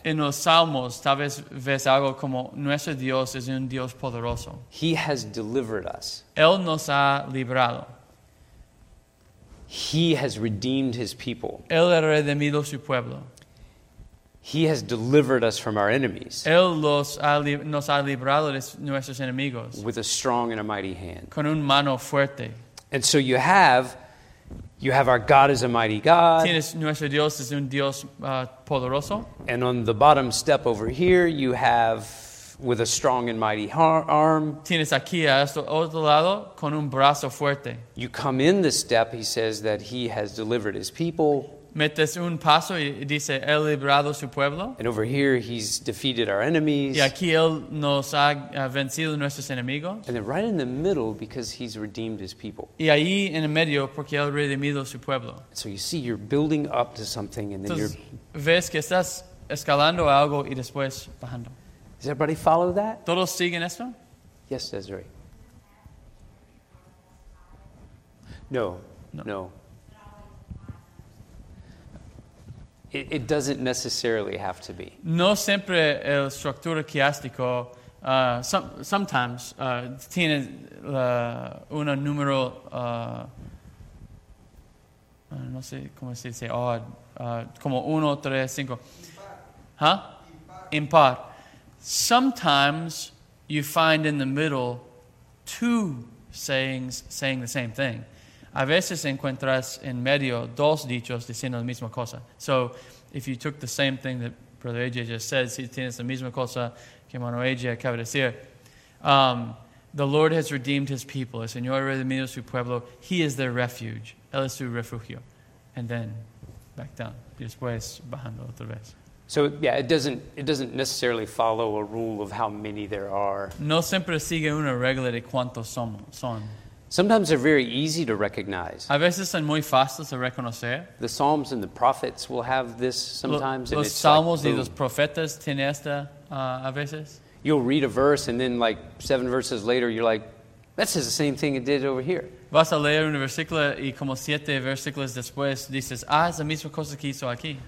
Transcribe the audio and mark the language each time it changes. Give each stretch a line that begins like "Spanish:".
Spanish: En los Salmos, tal vez ves algo como, "Nuestro Dios es un Dios poderoso."
English: He has delivered us.
Spanish: Él nos ha librado.
English: He has redeemed his people.
Spanish: Él ha redimido su pueblo.
English: He has delivered us from our enemies.
Spanish: Él nos ha librado de nuestros enemigos.
English: With a strong and a mighty hand.
Spanish: Con una mano fuerte.
English: And so you have our God is a mighty God.
Spanish: Tienes nuestro Dios es un Dios poderoso.
English: And on the bottom step over here, you have with a strong and mighty arm.
Spanish: Tienes aquí a este otro lado con un brazo fuerte.
English: You come in this step, he says that he has delivered his people.
Spanish: Metes un paso y dice, él ha librado su pueblo.
English: And over here, he's defeated our enemies.
Spanish: Y aquí él nos ha vencido nuestros enemigos.
English: And then right in the middle, because he's redeemed his people.
Spanish: Y ahí en el medio, porque él ha redimido su pueblo.
English: So you see, you're building up to something, and then
Spanish: entonces,
English: you're...
Spanish: ves que estás escalando algo y después bajando.
English: Does everybody follow that?
Spanish: ¿Todos siguen esto?
English: Yes, Desiree.
Spanish: No. No.
English: It doesn't necessarily have to be.
Spanish: No siempre el estructura quiástico,
English: sometimes
Spanish: tiene un número, no sé cómo se dice, como uno, tres, cinco. Impar. Huh? Impar.
English: Sometimes you find in the middle two sayings saying the same thing.
Spanish: A veces encuentras en medio dos dichos diciendo la misma cosa.
English: So, if you took the same thing that Brother AJ just said,
Spanish: si tienes la misma cosa que hermano AJ acaba de decir,
English: the Lord has redeemed his people.
Spanish: El Señor ha redimido su pueblo.
English: He is their refuge.
Spanish: Él es su refugio.
English: And then back down.
Spanish: Después bajando otra vez.
English: So, yeah, it doesn't necessarily follow a rule of how many there are.
Spanish: No siempre sigue una regla de cuántos son.
English: Sometimes they're very easy to recognize.
Spanish: A veces son muy fáciles de reconocer.
English: The Psalms and the Prophets will have this sometimes.
Spanish: Los Salmos y los Profetas tienen esta a veces.
English: You'll read a verse and then like seven verses later you're like, that says the same thing it did over here.
Spanish: Vas a leer un versículo y como siete versículos después dices, es la misma cosa que hizo aquí.